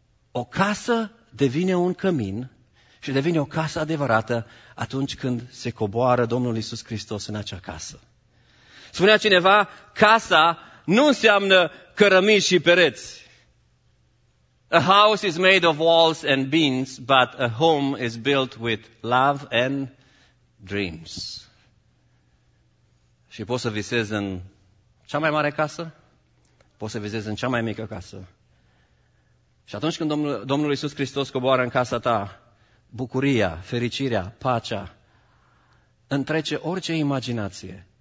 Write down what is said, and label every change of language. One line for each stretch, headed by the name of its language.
Romanian: O casă devine un cămin și devine o casă adevărată atunci când se coboară Domnul Iisus Hristos în acea casă. Spunea cineva, casa nu înseamnă cărămizi și pereți.
English: A house is made of walls and beams, but a home is built with love and dreams.
Romanian: Și poți să visezi în cea mai mare casă, poți să visezi în cea mai mică casă. Și atunci când Domnul Iisus Hristos coboară în casa ta, bucuria, fericirea, pacea, întrece orice imaginație.